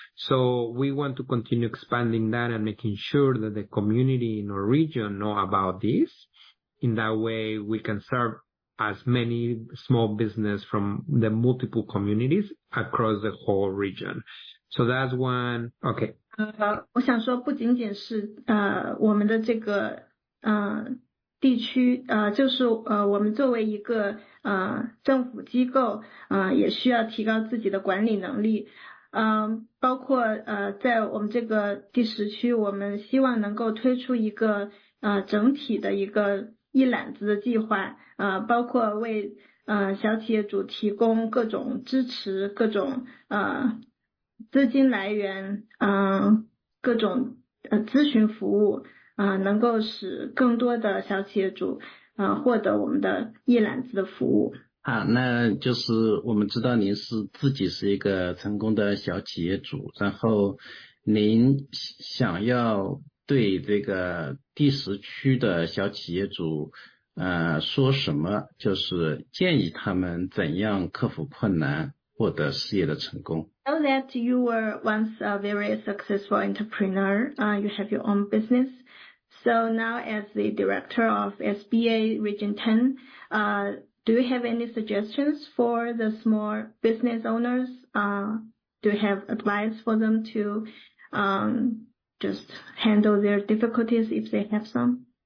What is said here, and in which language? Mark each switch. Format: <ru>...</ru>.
<en>So we want to continue expanding that and making sure that the community in our region know about this. In that way, we can serve as many small business from the multiple communities across the whole region. So that's one. Okay.</en> <zh>我想说不仅仅是我们的这个地区就是我们作为一个政府机构也需要提高自己的管理能力，包括在我们这个第十区，我们希望能够推出一个整体的一个一揽子的计划，包括为小企业主提供各种支持，各种资金来源，各种咨询服务，能够使更多的小企业主获得我们的一揽子的服务。好，那就是我们知道您是自己是一个成功的小企业主，然后您想要对这个第十区的小企业主说什么，就是建议他们怎样克服困难获得事业的成功。</zh> <en>I know that you were once a very successful entrepreneur. You have your own business. So now as the director of SBA Region 10, do you have any suggestions for the small business owners? Do you have advice for them to just handle their difficulties if they have some?</en>